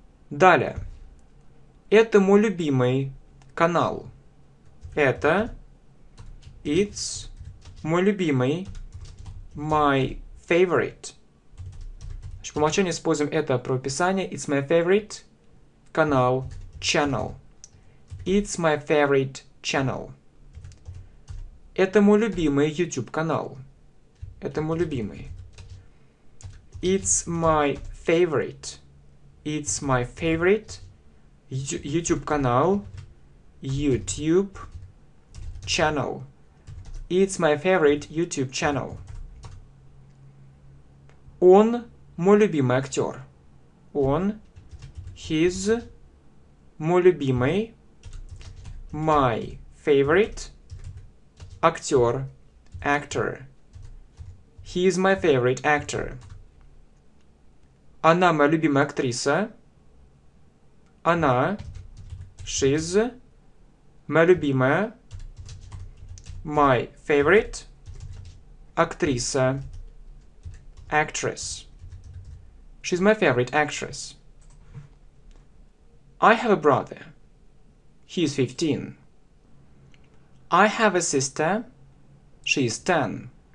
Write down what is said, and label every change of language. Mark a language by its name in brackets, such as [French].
[Russian] Далее. Это мой любимый канал. Это. [English] It's [Russian] мой любимый. [English] My favorite. [Russian] Значит, по умолчанию используем это про описание. [English] It's my favorite [Russian] канал. [English] Channel. It's my favorite channel. [Russian] Это мой любимый YouTube канал. Это мой любимый. [English] It's my favorite. It's my favorite YouTube [Russian] канал. [English] YouTube channel. It's my favorite YouTube channel. [Russian] Он мой любимый актер. Он. [English] His. [Russian] Мой любимый. [English] My favorite [Russian] актер. [English] Actor. He is my favorite actor. [Russian] Она моя любимая актриса. Она. [English] She's [Russian] моя любимая. [English] My favorite [Russian] актриса. [English] Actress. She's my favorite actress. I have a brother. He is 15. I have a sister. She is 10.